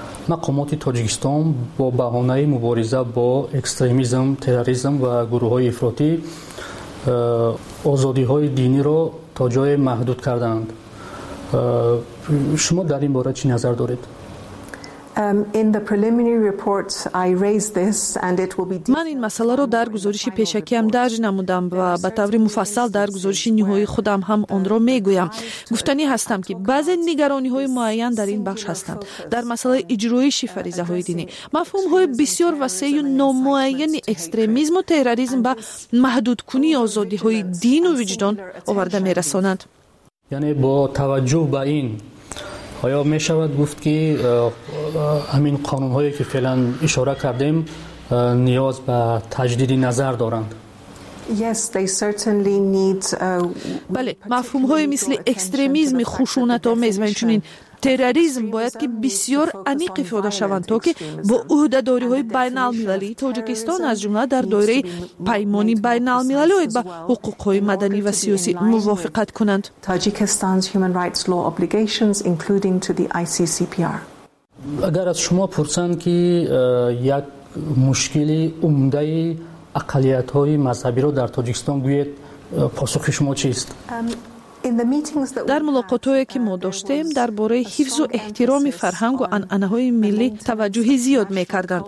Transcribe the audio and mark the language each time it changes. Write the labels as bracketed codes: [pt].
[fa] مقامات تاجیکستان با بهانه مبارزه با اکستریمیسم، تروریسم و گروه های افراطی آزادی های دینی را تا جای محدود کردند. شما در این باره چی نظر دارید؟ [en] In the preliminary reports I raised this and it will be detailed. [fa] من این مساله رو در گزارش پیشکیم درج نمودم و به طور مفصل در گزارش نهایی خودم هم اون رو میگویم. گفتنی هستم که بعضی نگرانی های معین در این بخش هستند. در مساله اجرای شفریزه های دینی، مفهوم های بسیار وسیع و نامعین اکستریمیسم و تروریسم به محدود کنی آزادی های دین و وجدان آورده می رسانند. یعنی با توجه به این آیا می شود گفت که همین قانون هایی که فعلا اشاره کردیم نیاز به تجدید نظر دارند؟ [en] Yes, they certainly need [fa] بله، مفهوم های مثل اکستریمیسم، خشونت آمیز و اینچنین تروریسم باید که بسیار عمیق افاده شوند تا که با عهده‌داری های بین المللی تاجیکستان از جمله در دایره پیمان بین المللی با حقوق های مدنی و سیاسی موافقت کنند. [en] Tajikistan's human rights law obligations including to the ICCPR. [fa] اگر از شما پرسند که یک مشکلی عمده اقلیت های مذهبی را در تاجیکستان گویید، پاسخ شما چیست؟ در ملاقاتهایی که ما داشتیم در باره حفظ و احترام فرهنگ و انعنه های ملی توجه زیاد میکردند.